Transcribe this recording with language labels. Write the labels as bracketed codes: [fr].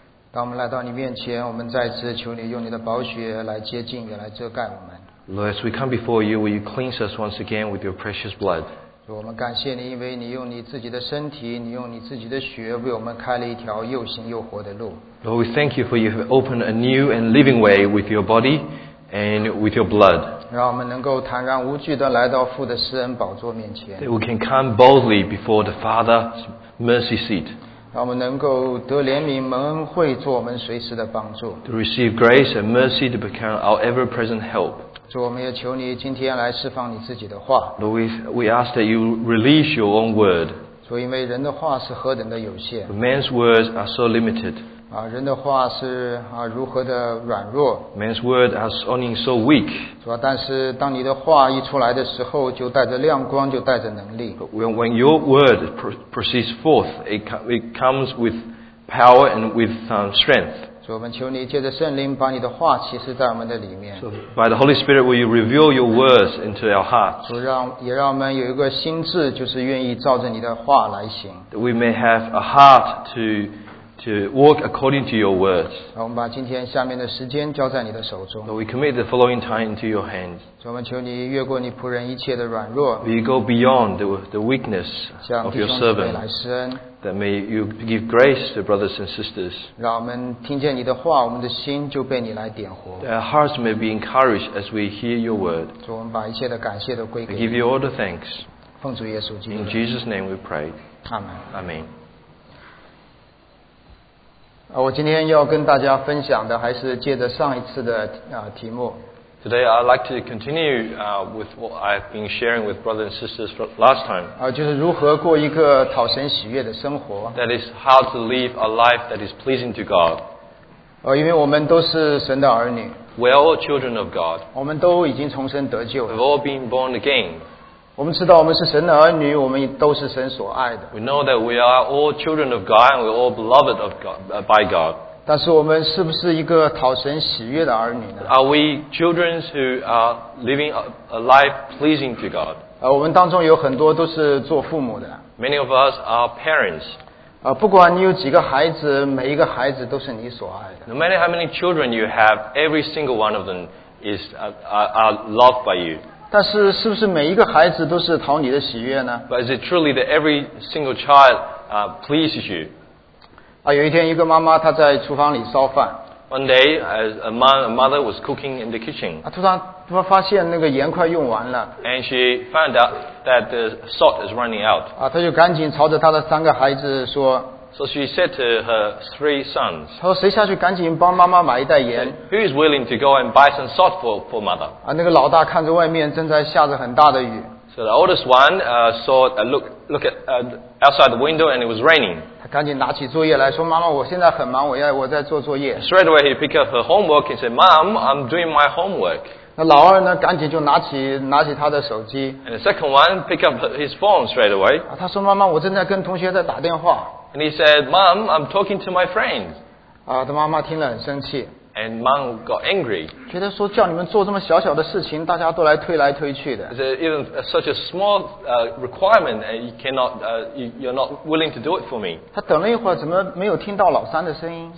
[zh] 当我们来到你面前，我们再次求你用你的宝血来接近，也来遮盖我们。 [en] Lord, as we come before you, will you cleanse us once again with your precious blood? [zh] 所以我们感谢你，因为你用你自己的身体，你用你自己的血为我们开了一条又新又活的路。 [en] Lord, we thank you for you have opened a new and living way with your body. And with your blood. [zh] 让我们能够坦然无惧地来到父的施恩宝座面前。 [en] That we can come boldly before the Father's mercy seat. [zh] 让我们能够得怜悯蒙恩惠做我们随时的帮助。 [en] To receive grace and mercy to become our ever-present help. [zh] 主，我们也求你今天来释放你自己的话。 [en] Lord, we ask that you release your own word. [zh] 主，因为人的话是何等的有限。 [en] But man's words are so limited. [zh] 人的话是如何的软弱。 [en] Man's word is only so weak. [zh] 主啊，但是当你的话一出来的时候，就带着亮光，就带着能力。 [en] When your word proceeds forth, it comes with power and with strength. [zh] 主，我们求你借着圣灵把你的话启示在我们的里面。 [en] So by the Holy Spirit, will you reveal your words into our hearts? [zh] 主，让我们有一个心智，就是愿意照着你的话来行。 [en] That we may have a heart to walk according to your words. [zh] 我们把今天下面的时间交在你的手中。 [en] So we commit the following time into your hands. [zh] 我们求你越过你仆人一切的软弱。 [en] We go beyond the weakness of your servant. [zh] 向弟兄姊妹来施恩。 [en] That may you give grace to brothers and sisters. [zh] 让我们听见你的话，我们的心就被你来点活。 [en] Our hearts may be encouraged as we hear your word. [zh] 我们把一切的感谢都归给你。 [en] We give you all the thanks. [zh] 奉主耶稣基督。 [en] In Jesus' name we pray. Amen. Amen. [zh] 我今天要跟大家分享的还是借着上一次的题目。 [en] Today I'd like to continue with what I've been sharing with brothers and sisters last time. [zh] 就是如何过一个讨神喜悦的生活。 [en] That is how to live a life that is pleasing to God. [zh] 因为我们都是神的儿女。 [en] We're all children of God. [zh] 我们都已经重生得救了。 [en] We've all been born again. [zh] 我们知道我们是神的儿女，我们都是神所爱的。 [en] We know that we are all children of God and we're all beloved of God, by God. [zh] 但是我们是不是一个讨神喜悦的儿女呢？ [en] Are we children who are living a life pleasing to God? [zh] 我们当中有很多都是做父母的。 [en] Many of us are parents. [zh] 不管你有几个孩子，每一个孩子都是你所爱的。 [en] No matter how many children you have, every single one of them is loved by you. [zh] 但是是不是每一个孩子都是讨你的喜悦呢？ [en] But is it truly that every single child pleases you? [zh] 有一天一个妈妈她在厨房里烧饭。 [en] One day a mother was cooking in the kitchen. [zh] 突然发现那个盐快用完了。 [en] And she found out that the salt is running out. [zh] 她就赶紧朝着她的三个孩子说。 [en] So she said to her three sons, [zh] 她说谁下去赶紧帮妈妈买一袋盐。 [en] Who is willing to go and buy some salt for mother? [zh] 那个老大看着外面正在下着很大的雨。 [en] So the oldest one looked outside the window and it was raining. [zh] 她赶紧拿起作业来说妈妈我现在很忙我在做作业。 [en] Straight away he picked up her homework and said, Mom, I'm doing my homework. [zh] 那老二呢赶紧就拿起他的手机。 [en] And the second one picked up his phone straight away. [zh] 她说妈妈我正在跟同学在打电话。 [en] And he said, Mom, I'm talking to my friends. [zh] 他妈妈听了很生气。 [en] And Mom got angry. [zh] 觉得说叫你们做这么小小的事情大家都来推来推去的。 [en] Is it even such a small requirement and you're not willing to do it for me? [zh] 他等了一会儿怎么没有听到老三的声音。